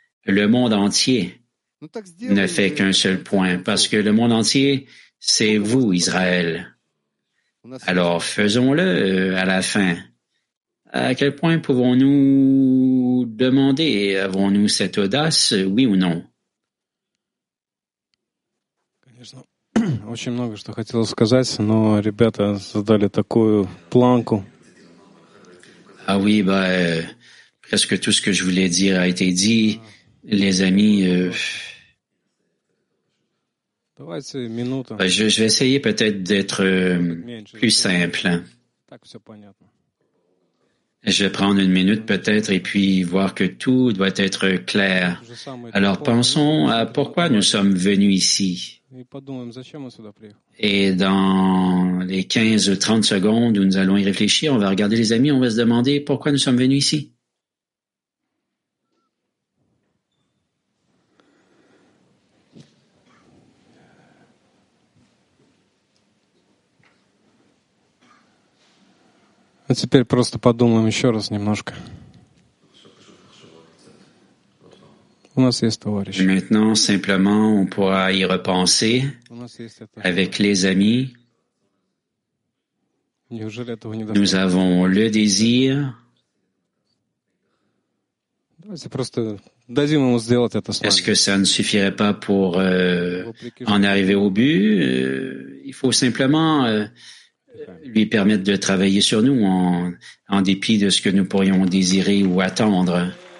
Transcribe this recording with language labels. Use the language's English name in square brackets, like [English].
[French] le monde entier ne fait qu'un seul point, parce que le monde entier, c'est vous, Israël. Alors, faisons-le à la fin. À quel point pouvons-nous demander? Avons-nous cette audace, oui ou non? [Russian] Очень много, что хотел сказать, но ребята задали такую планку. [French] Ah oui, bah, presque tout ce que je voulais dire a été dit. Les amis, [Russian] Давайте минуту. [French] Je vais essayer peut-être d'être plus simple. [Russian] Так, все понятно. [French] Je vais prendre une minute peut-être et puis voir que tout doit être clair. Alors pensons à pourquoi nous sommes venus ici. Et dans les 15 ou 30 secondes où nous allons y réfléchir, on va regarder les amis, on va se demander pourquoi nous sommes venus ici. [Russian] А теперь просто подумаем еще раз немножко. У нас есть товарищи. [French] Maintenant, simplement, on pourra y repenser avec les amis. [Russian] Неужели этого недостаточно? [French] Nous avons le désir. [Russian] Давайте просто дадим ему сделать это с вами. [French] Est-ce que ça ne suffirait pas pour en arriver au but? Il faut simplement lui permettre de travailler sur nous en dépit de ce que nous pourrions désirer ou attendre.